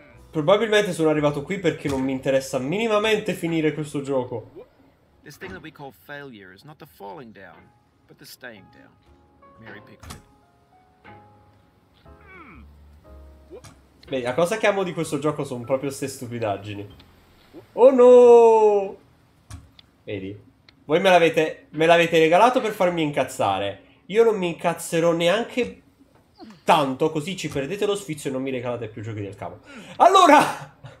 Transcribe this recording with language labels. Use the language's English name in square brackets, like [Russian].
[Italian] Probabilmente sono arrivato qui perché non mi interessa minimamente finire questo gioco. [English] This thing that we call failure is not the falling down, but the staying down. Mary Pickford. [Italian] Beh, la cosa che amo di questo gioco sono proprio ste stupidaggini. Oh no! Vedi? Voi me l'avete regalato per farmi incazzare. Io non mi incazzerò neanche tanto, così ci perdete lo sfizio e non mi regalate più giochi del cavolo. Allora!